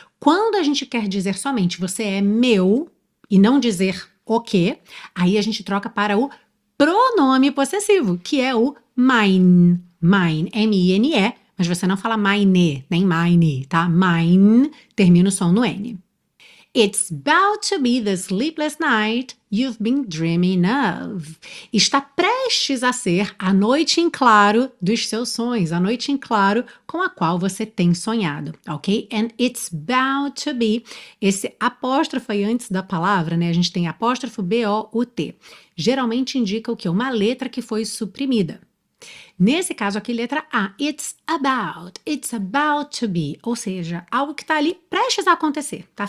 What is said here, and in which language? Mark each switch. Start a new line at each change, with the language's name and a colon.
Portuguese: Quando a gente quer dizer somente você é meu, e não dizer o quê, aí a gente troca para o pronome possessivo, que é o mine, mine, M-I-N-E, mas você não fala mine, nem mine, tá? Mine, termina o som no N.
English: It's about to be the sleepless night you've been dreaming of.
Portuguese: Está prestes a ser a noite em claro dos seus sonhos, a noite em claro com a qual você tem sonhado, ok?
English: And it's about to be,
Portuguese: esse apóstrofo aí antes da palavra, né? A gente tem apóstrofo B-O-U-T. Geralmente indica o quê? Uma letra que foi suprimida. Nesse caso aqui, letra A,
English: it's about to be,
Portuguese: ou seja, algo que está ali prestes a acontecer, tá?